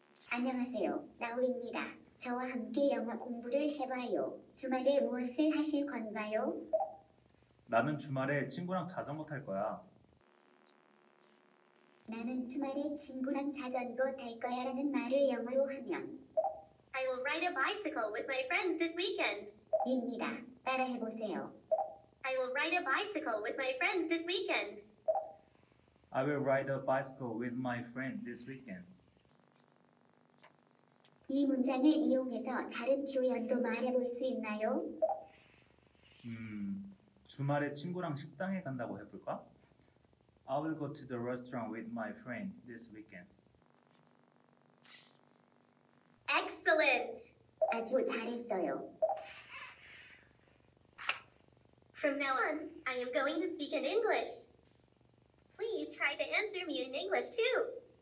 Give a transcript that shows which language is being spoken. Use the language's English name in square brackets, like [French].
[Korean] 안녕하세요. 나우입니다. 저와 함께 영어 공부를 해봐요. 주말에 무엇을 하실 건가요? 나는 주말에 친구랑 자전거 탈 거야. 나는 주말에 친구랑 자전거 탈 거야 라는 말을 영어로 하면 [English] I will ride a bicycle with my friends this weekend. [Korean] 입니다. 따라해보세요. [English] I will ride a bicycle with my friends this weekend. I will ride a bicycle with my friend this weekend. [Korean] 이 문장을 이용해서 다른 표현도 말해볼 수 있나요? 주말에 친구랑 식당에 간다고 해볼까? [English] I will go to the restaurant with my friend this weekend. Excellent! [Korean] 아주 잘했어요. [English] From now on, I am going to speak in English. Please try to answer me in English too.